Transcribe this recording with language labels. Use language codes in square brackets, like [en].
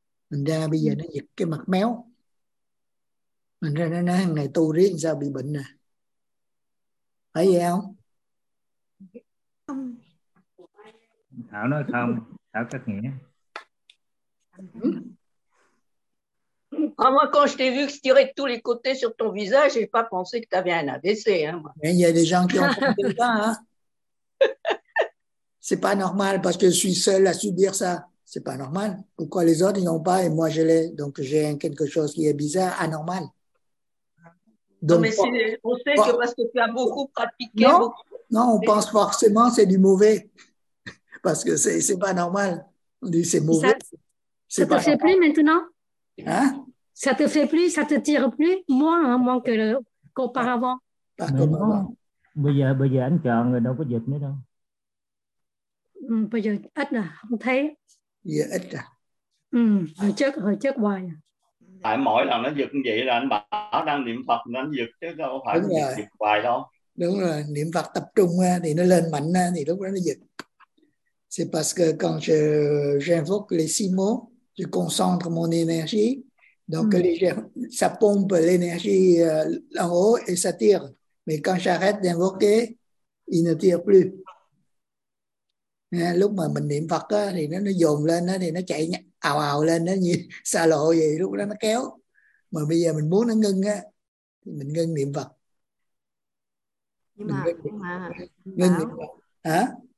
[vi] Mình ra bây giờ nó giật cái mặt méo. Mình ra nó nói hằng này tu riết sao bị bệnh nè. Phải vậy không? Thảo nói không, Thảo cách nghĩa. [fr] Moi, quand je t'ai vu que tu tirais de tous les côtés sur ton visage, j'ai pas pensé que tu avais un AVC. Il y a des gens qui ont compris ça. Hein? C'est pas normal parce que je suis seul à subir ça. C'est pas normal. Pourquoi les autres n'ont pas et moi je l'ai? Donc j'ai quelque chose qui est bizarre, anormal. Donc, non, mais on sait que parce que tu as beaucoup pratiqué. Non, beaucoup... non on pense forcément que c'est du mauvais. Parce que c'est pas normal. On dit c'est mauvais. Ça te fait plus maintenant? Hein? Ça te fait plus? Ça te tire plus? Moins, hein, moins que qu'auparavant. Pas comme avant. [vi] Bây giờ anh chọn người đâu có dịch nữa đâu. Bây giờ ít à? Không thấy. Giờ ít à? Ừ, hồi trước hoài. Tại mỗi lần nó dịch như vậy là anh bảo đang niệm Phật nên anh dịch chứ đâu phải đúng rồi. Dịch hoài đâu. Đúng rồi, niệm Phật tập trung thì nó lên mạnh thì lúc đó nó dịch. [fr] C'est parce que quand j'invoque les six mots, je concentre mon énergie, donc ça pompe l'énergie en haut et ça tire. Mais quand j'arrête d'invoquer, il ne tire plus. [vi] Lúc mà mình niệm Phật thì nó dồn lên thì nó chạy ào ào lên nó như xa lộ vậy, lúc đó nó kéo. Mà bây giờ mình muốn nó ngưng thì mình ngưng niệm Phật. Nhưng mà hả?